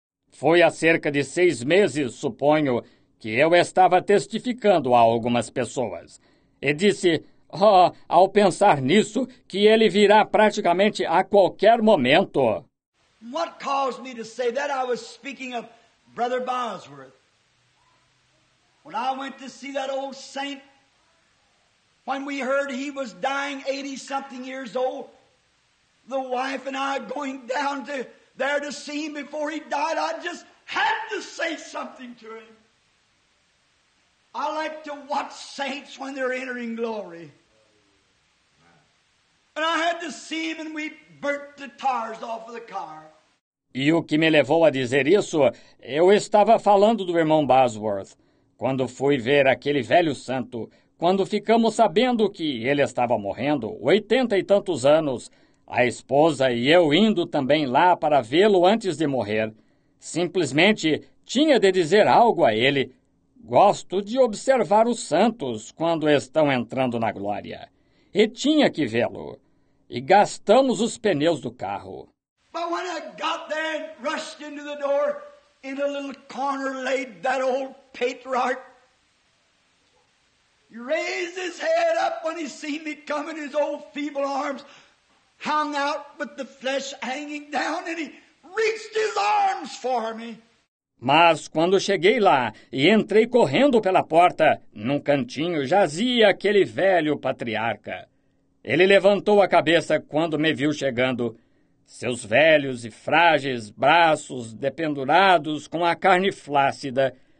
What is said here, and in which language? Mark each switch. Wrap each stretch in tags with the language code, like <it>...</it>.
<pt>Foi há cerca de 6 meses, suponho, que eu estava testificando a algumas pessoas. E disse, oh, ao pensar nisso, que ele virá praticamente a qualquer momento.</pt> <en>What caused me to say that? I was speaking of Brother Bosworth. When I went to see that old saint, when we heard he was dying 80-something years old, the wife and I going down to... there to see him before he died, I just had to say something to him. I like to watch saints when they're entering glory. And I had to see him and we burnt the tires off of the car.</en> <pt>E o que me levou a dizer isso, eu estava falando do irmão Bosworth, quando fui ver aquele velho santo, quando ficamos sabendo que ele estava morrendo, 80 e tantos anos, a esposa e eu indo também lá para vê-lo antes de morrer. Simplesmente tinha de dizer algo a ele. Gosto de observar os santos quando estão entrando na glória. E tinha que vê-lo. E gastamos os pneus do carro. Mas quando eu cheguei lá e rushei na porta, em um pequeno corner,</pt> <en>laid that old patriarch. He raised his head up when he seen me coming, his old feeble arms. Hung out with the flesh hanging down and he reached his arms for me.</en> <pt>Mas quando cheguei lá e entrei correndo pela porta, num cantinho jazia aquele velho patriarca. Ele levantou a cabeça quando me viu chegando. Seus velhos e frágeis braços dependurados com a carne flácida.</pt>